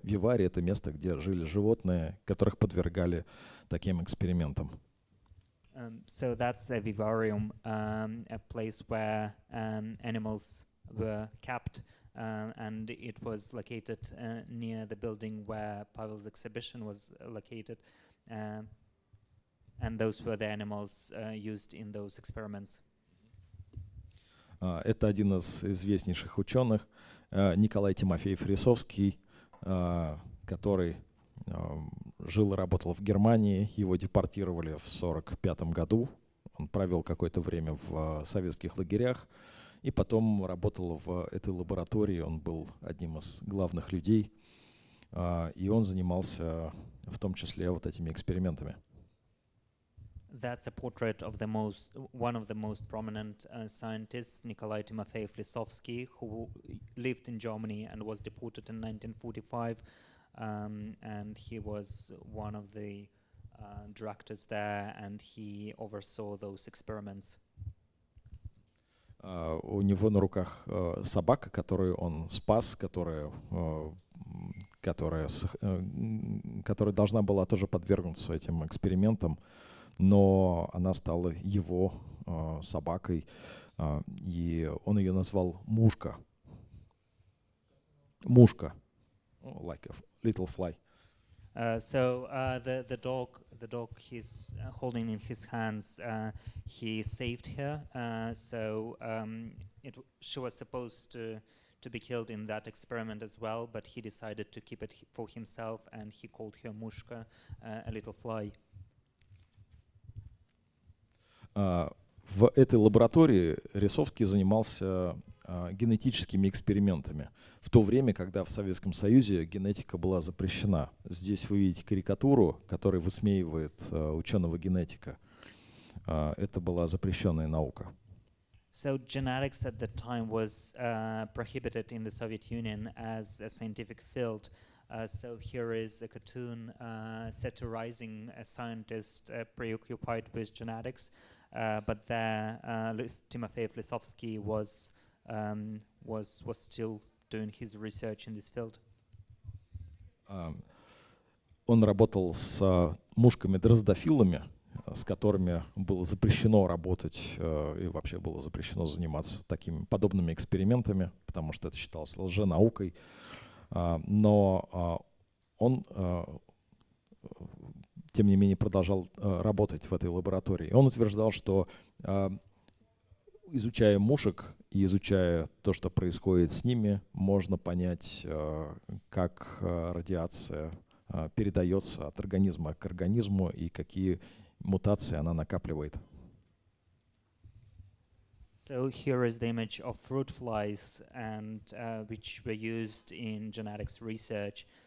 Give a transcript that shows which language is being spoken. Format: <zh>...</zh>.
<ru>Виварий — это место, где жили животные, которых подвергали таким экспериментам.</ru> <en>So that's a vivarium, a place where animals were kept, and it was located near the building where Pavel's exhibition was located, and those were the animals used in those experiments.</en> <ru>Это один из известнейших ученых, Николай Тимофеев Рисовский, который жил и работал в Германии, его депортировали в 1945 году. Он провел какое-то время в советских лагерях и потом работал в этой лаборатории. Он был одним из главных людей, и он занимался в том числе вот этими экспериментами.</ru> <en>That's a portrait of the most, one of the most prominent scientists, Николай Тимофеев Рисовский, who lived in Germany and was deported in 1945. And he was one of the directors there, and he oversaw those experiments.</en> <ru>У него на руках собака, которую он спас, которая, которая должна была тоже подвергнуться этим экспериментам, но она стала его собакой, и он ее назвал Мушка.</ru> <en>Мушка. Like a little fly. So the dog he's holding in his hands, he saved her. So she was supposed to be killed in that experiment as well, but he decided to keep it for himself, and he called her Мушка, a little fly.</en> <ru>В этой лаборатории Рисовский занимался генетическими экспериментами в то время, когда в Советском Союзе генетика была запрещена. Здесь вы видите карикатуру, которая высмеивает ученого-генетика. Это была запрещенная наука.</ru> <en>So genetics at that time was prohibited in the Soviet Union as a scientific field. So here is a cartoon satirizing a scientist preoccupied with genetics. But there, Timofeyev Lisovsky was still doing his research in this field.</en> <ru>Он работал с мушками дроздофилами, с которыми было запрещено работать и вообще было запрещено заниматься такими подобными экспериментами, потому что это считалось лженаукой. Но он тем не менее продолжал работать в этой лаборатории. Он утверждал, что изучая мушек и изучая то, что происходит с ними, можно понять, как радиация передается от организма к организму и какие мутации она накапливает.</ru> <en>So here is the image of fruit flies, and which were used in genetics research.</en>